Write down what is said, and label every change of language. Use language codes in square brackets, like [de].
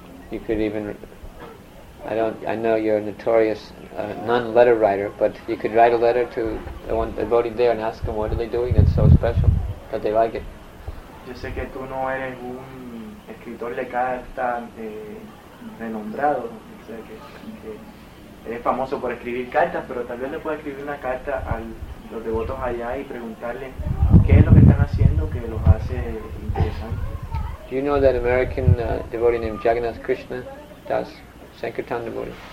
[en] You could even, I know you're a notorious non-letter writer, but you could write a letter to the one devoted there and ask them what are they doing that's so special that they like it. [es] Yo sé que tú no eres un escritor de carta renombrado, o sea que eres famoso por escribir cartas, pero tal vez le pueda escribir una carta a los devotos allá y preguntarle qué es lo que están haciendo que los hace interesantes. [en] Do you know that American devotee named Jagannath Krishna does Sankirtan devotee?